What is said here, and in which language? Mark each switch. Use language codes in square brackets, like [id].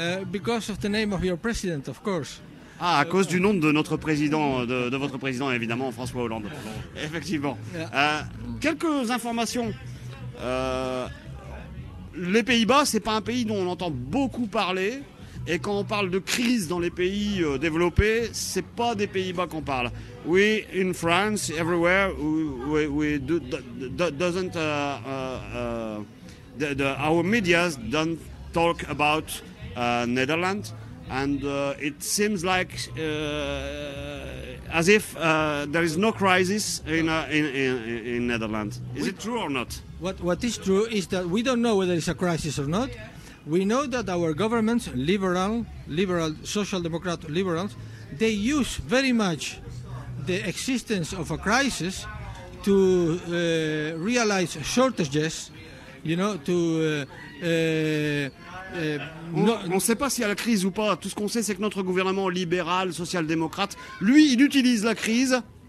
[en] Because of the name of your president, of course. [fr] Ah, à cause du nom de notre président, de votre président, évidemment, François Hollande. Effectivement. Quelques informations. Les Pays-Bas, ce n'est pas un pays dont on entend beaucoup parler. Et quand on parle de crise dans les pays développés, ce n'est pas des Pays-Bas qu'on parle. [en] Oui, in France, everywhere, our medias don't talk about Netherlands. And it seems like as if there is no crisis in Netherlands. Is it true or not? What is true is that we don't know whether it's a crisis or not. We know that our governments, liberal, social democrat liberals, they use very much the existence of a crisis to realize shortages, you know, to. [fr] On ne sait pas s'il y a la crise ou pas. Tout ce qu'on sait, c'est que notre gouvernement libéral, social-démocrate, lui, il utilise la crise